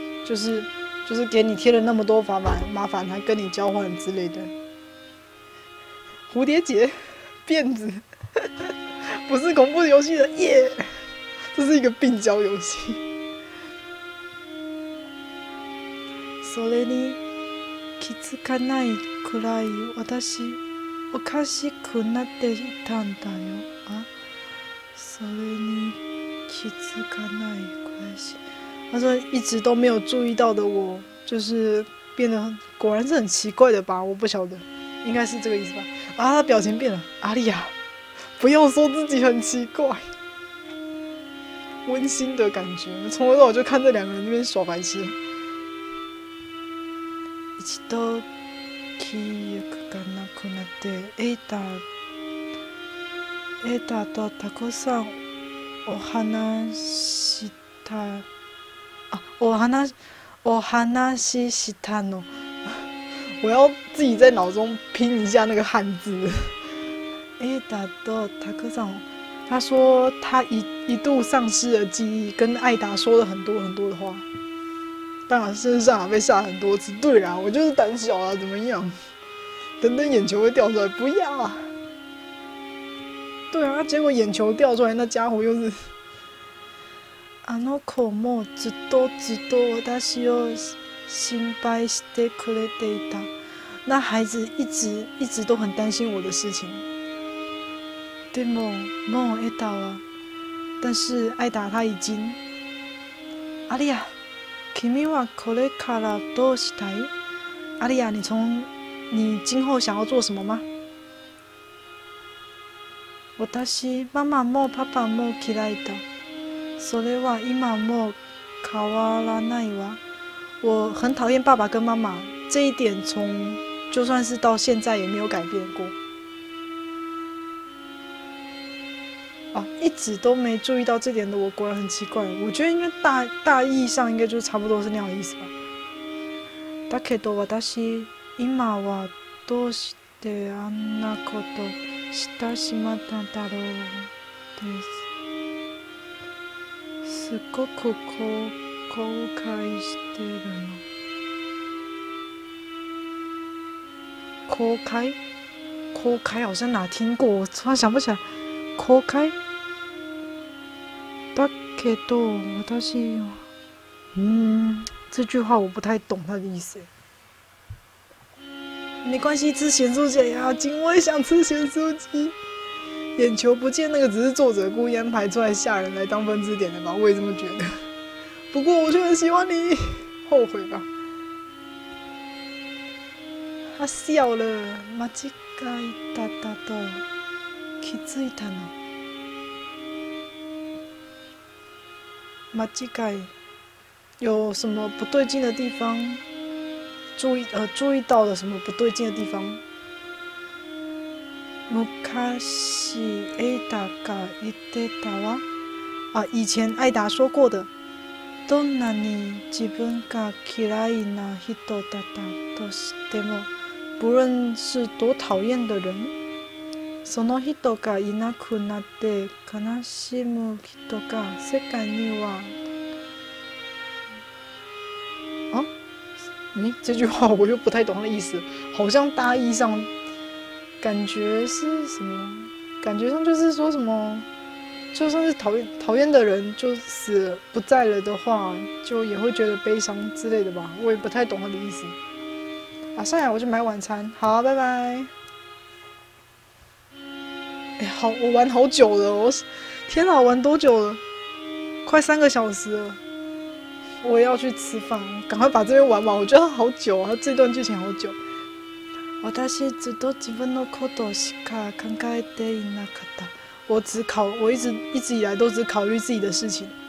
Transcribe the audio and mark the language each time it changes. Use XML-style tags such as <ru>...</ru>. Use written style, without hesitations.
<zh>就是给你添了那么多麻烦，还跟你交换之类的。蝴蝶结，辫子，不是恐怖游戏的耶，这是一个病娇游戏。</zh> <ja>それに気づかないくらい私。おかしくなっていたんだよ。あ、それに気づかない</ja> <zh>关系。他说一直都没有注意到的我，就是变得果然是很奇怪的吧？我不晓得，应该是这个意思吧？啊，他表情变了。阿丽亚，不要说自己很奇怪，温馨的感觉。从头到尾就看这两个人那边耍白痴。一度。</zh> <ja>記憶がなくなって、エイタとたくさんお話したお話ししたの。</ja> <zh>我要自己在脑中拼一下那个汉字。</zh> <ja>エイタとたくさん，</ja> <zh>他说他一度丧失了记忆，跟艾达说了很多很多的话。当然，身上还被吓很多次。对啊，我就是胆小啊，怎么样？等等，眼球会掉出来，不要啊！对啊，结果眼球掉出来，那家伙又是……</zh> <ja>あの子もずっとずっと私を心配してくれていた。</ja> <zh>那孩子一直一直都很担心我的事情。</zh> <ja>でも、もうエタは、</ja> <zh>但是艾达他已经。</zh> <ja>アリア、君はこれからどうしたい？</ja> <zh>アリア，你今后想要做什么吗？</zh> <ja>私、ママもパパも嫌いだ。それは今も変わらないわ。</ja> <zh>我很讨厌爸爸跟妈妈，这一点从就算是到现在也没有改变过。啊，一直都没注意到这点的我，果然很奇怪。我觉得应该大意上应该就差不多是那样的意思吧。</zh> <ja>だけど私今はどうしてあんなことしてしまったんだろうです。すごく後悔してるの。後悔？</ja> <zh>後悔好像哪听过，我突然想不起来。後悔？</zh> <ja>だけど私は、</ja> <zh>这句话我不太懂他的意思。没关系，吃咸酥鸡呀，今晚想吃咸酥鸡。眼球不见那个只是作者故意安排出来吓人来当分支点的吧，我也这么觉得。不过我却很喜欢你，后悔吧。他笑了，</zh> <ja>間違えたたと気づいたの。</ja> <zh>間違え，有什么不对劲的地方？注意到了什么不对劲的地方？</zh> <ja>昔エダが言ってたわ。</ja> <zh>啊，以前艾达说过的。</zh> <ja>どんなに自分が嫌いな人だったとしても、</ja> <zh>不论是多讨厌的人、</zh> <ja>その人がいなくなって悲しむ人が世界には。</ja> <zh>这句话我又不太懂他的意思，好像大意上感觉是什么，感觉上就是说什么就算是讨厌的人就死了不在了的话就也会觉得悲伤之类的吧，我也不太懂他的意思啊。算了，我去买晚餐，好，拜拜。哎，好，我玩好久了，我天哪，我玩多久了？快三个小时了。我要去吃饭，赶快把这边玩完。我觉得好久啊，这段剧情好久。</zh> <ja>私ずっと自分のことしか考えていなかった。</ja> <zh>我一直以来都只考虑自己的事情。</zh>